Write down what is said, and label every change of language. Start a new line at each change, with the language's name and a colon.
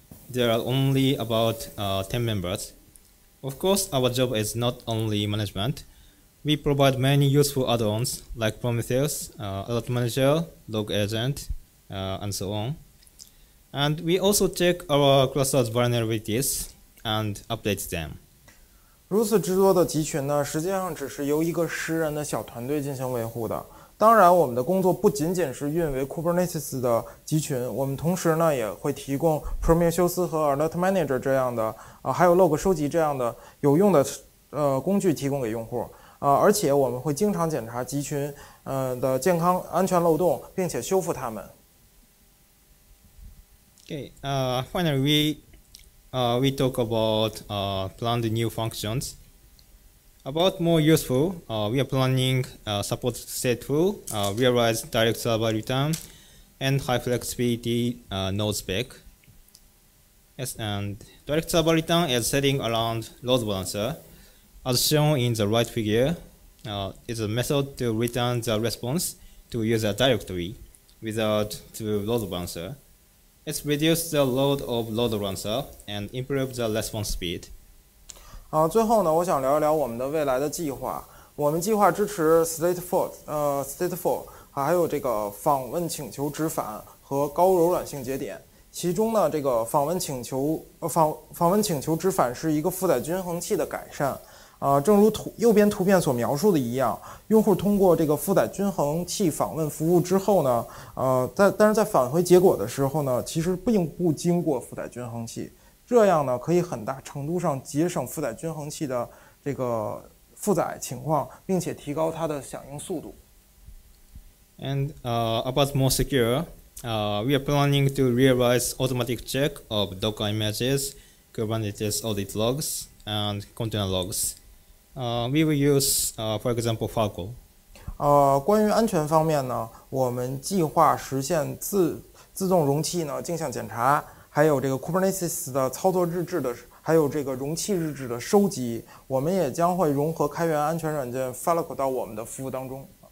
English: There are only about 10 members. Of course, our job is not only management. We provide many useful add-ons like Prometheus, Alert Manager, Log Agent, and so on. And we also check our clusters' vulnerabilities and update them.
Chinese: 如此之多的集群呢，实际上只是由一个十人的小团队进行维护的。当然，我们的工作不仅仅是运维 Kubernetes 的集群，我们同时呢也会提供 Prometheus 和 Alert Manager 这样的，还有 Log 收集这样的有用的工具提供给用户。而且我们会经常检查集群的健康安全漏洞，并且修复它们。
English: Okay. Finally, we talk about planned new functions. About more useful, we are planning support stateful, realize direct server return, and high flexibility node spec. Yes, and direct server return is setting around load balancer, as shown in the right figure. It's a method to return the response to user directory without to load balancer. It's reduced the load of load balancer and improved the response speed.
Chinese: 最后呢，我想聊一聊我们的未来的计划。我们计划支持 stateful， 还有这个访问请求直返和高柔软性节点。其中呢，这个访问请求直返是一个负载均衡器的改善。正如右边图片所描述的一样，用户通过这个负载均衡器访问服务之后呢，但是在返回结果的时候呢，其实并不经过负载均衡器，这样呢可以很大程度上节省负载均衡器的这个负载情况，并且提高它的响应速度。
English: And about more secure, we are planning to realize automatic check of Docker images, Kubernetes audit logs, and container logs. We will use, for example, Fargo.
Chinese: 关于安全方面呢，我们计划实现自动容器呢镜像检查，还有这个 Kubernetes 的操作日志的，还有这个容器日志的收集。我们也将会融合开源安全软件 Fargo 到我们的服务当中。